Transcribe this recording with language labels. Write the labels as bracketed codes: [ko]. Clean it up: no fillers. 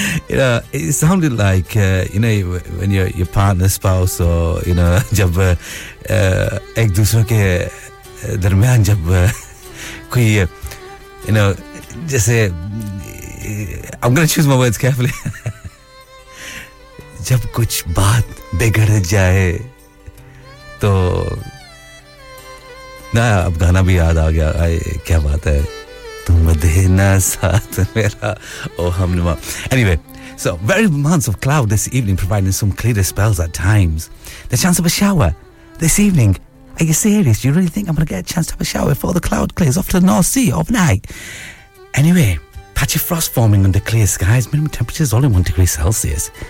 [en] You know, it sounded like, you know, when your partner, spouse, or, you know, [hi] jab ek dusre ke darmiyan jab koi, [en] you know, jaise, I'm going to choose my words carefully. [hi] जब कुछ बात बिगड़ जाए तो ना, अब गाना भी याद आ गया, आए क्या बात है, तुम देना साथ मेरा ओ हमनुमा. [en] Anyway, so very amounts of cloud this evening providing some clearer spells at times. The chance of a shower this evening. Are you serious? Do you really think I'm going to get a chance to have a shower before the cloud clears off to the North Sea overnight? Anyway, patch of frost forming under clear skies, minimum temperatures only 1 degree Celsius.